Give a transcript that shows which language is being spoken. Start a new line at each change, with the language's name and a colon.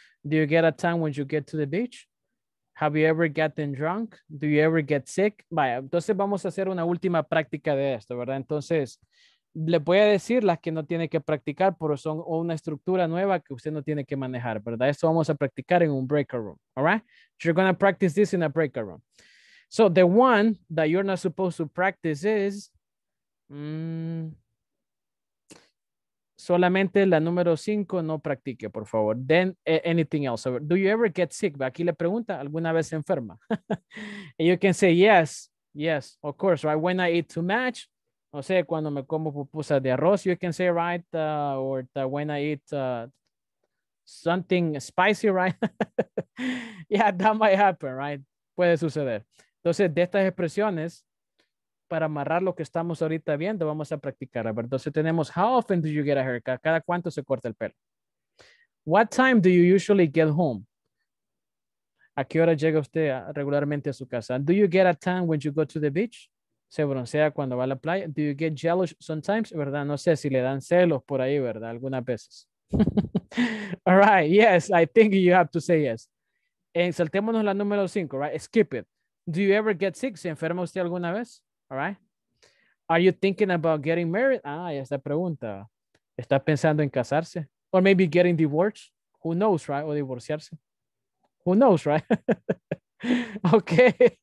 English: Do you get a tan when you get to the beach? Have you ever gotten drunk? Do you ever get sick?
Spanish: Vaya, entonces vamos a hacer una última práctica de esto, ¿verdad? Entonces, les voy a decir las que no tiene que practicar, pero son una estructura nueva que usted no tiene que manejar, ¿verdad? Esto vamos a practicar en un
English: breaker room, all right? You're going to practice this in a breaker room. So the one that you're not supposed to practice is...
Spanish: solamente la número 5 no practique, por favor.
English: Then anything else. Do you ever get sick?
Spanish: Aquí le pregunta, ¿alguna vez se enferma?
English: And you can say, yes, yes, of course, right? When I eat too much,
Spanish: o sea, cuando me como pupusas de arroz,
English: you can say, right? Or when I eat something spicy, right? Yeah, that might happen, right?
Spanish: Puede suceder. Entonces, de estas expresiones, para amarrar lo que estamos ahorita viendo, vamos a practicar. A ver, entonces tenemos,
English: how often do you get a haircut?
Spanish: ¿Cada cuánto se corta el pelo?
English: What time do you usually get home?
Spanish: ¿A qué hora llega usted regularmente a su casa?
English: Do you get a tan when you go to the beach?
Spanish: ¿Se broncea cuando va a la playa?
English: Do you get jealous sometimes?
Spanish: ¿Verdad? No sé si le dan celos por ahí, ¿verdad? Algunas veces.
English: All right, yes, I think you have to say yes.
Spanish: Saltémonos la número 5,
English: right? Skip it. Do you ever get sick?
Spanish: ¿Se enferma usted alguna vez?
English: All right. Are you thinking about getting married?
Spanish: Ah, ya está pregunta. ¿Está pensando en casarse?
English: Or maybe getting divorced? Who knows, right?
Spanish: O divorciarse.
English: Who knows, right? Okay.